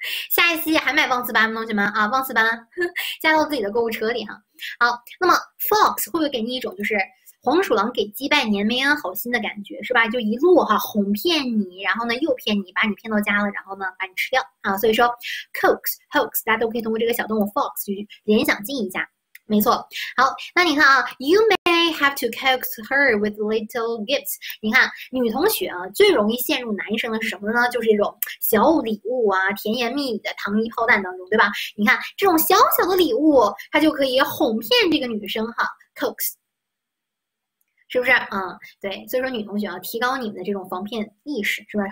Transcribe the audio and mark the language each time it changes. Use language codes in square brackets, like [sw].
[zh] 下一期还买忘词班的东西吗？啊，忘词班加到自己的购物车里哈。好，那么 Fox 会不会给你一种就是黄鼠狼给鸡拜年、没安好心的感觉，是吧？就一路哈哄骗你，然后呢诱骗你，把你骗到家了，然后呢把你吃掉啊。所以说 coax hoax，大家都可以通过这个小动物 Fox 去联想进一下。没错，好，那你看啊， [en] You may have to coax her with little gifts。 [zh] 你看，女同学啊，最容易陷入男生的什么呢？就是这种小礼物啊，甜言蜜语的糖衣炮弹当中，对吧？你看，这种小小的礼物，它就可以哄骗这个女生哈，coax，是不是？嗯，对，所以说女同学啊，提高你们的这种防骗意识，是吧？